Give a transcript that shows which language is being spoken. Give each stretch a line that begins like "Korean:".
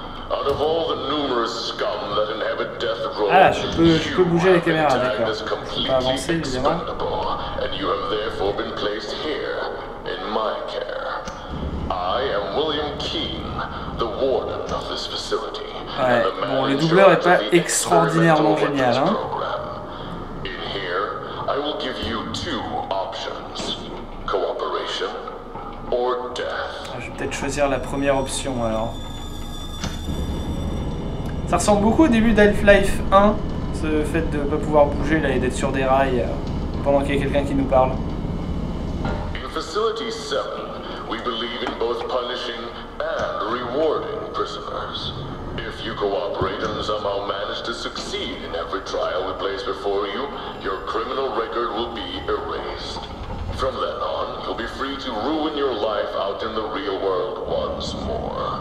English: Out of all the numerous scum that inhabit Death Row,
French: je peux bouger la caméra, d'accord. Pas avancé, évidemment.
English: And you have therefore been placed here, in my care. I am William Keane, the warden of this facility.
French: Ouais. Bon, le doubleur est pas extraordinairement génial, hein.
English: In here, I will give you two options: cooperation or death.
French: Je vais peut-être choisir la première option alors. Ça ressemble beaucoup au début d'Half-Life 1, ce fait de pas pouvoir bouger là et d'être sur des rails pendant qu'il y a quelqu'un qui nous parle.
English: In Facility 7, we believe in both punishing and rewarding prisoners. If you cooperate and somehow manage to succeed in every trial we place before you, your criminal record will be erased. From then on, you'll be free to ruin your life out in the real world once more.